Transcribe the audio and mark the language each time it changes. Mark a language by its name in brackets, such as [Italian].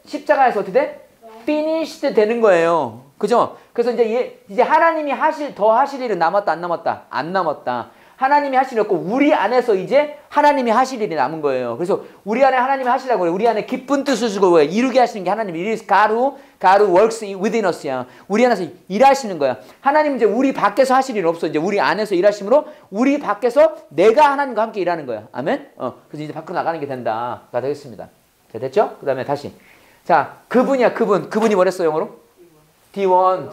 [Korean] 십자가에서 어떻게 돼? Finished 되는 거예요. 그죠? 그래서 이제 예, 이제 하나님이 하실 더 하실 일은 남았다 안 남았다? 안 남았다. 하나님이 하실 일 없고 우리 안에서 이제 하나님이 하실 일이 남은 거예요. 그래서 우리 안에 하나님이 하시라고 그래. 우리 안에 기쁜 뜻을 주고 뭐야? 이루게 하시는 게 하나님. [English] It is God who works within us. [Korean] 우리 안에서 일하시는 거야. 하나님은 이제 우리 밖에서 하실 일은 없어. 이제 우리 안에서 일하심으로 우리 밖에서 내가 하나님과 함께 일하는 거야. 아멘? 그래서 이제 밖으로 나가는 게 된다가 되겠습니다. 자, 됐죠? 그 다음에 다시. 자, 그분이야, 그분. 그분이 뭐랬어, 영어로? D1.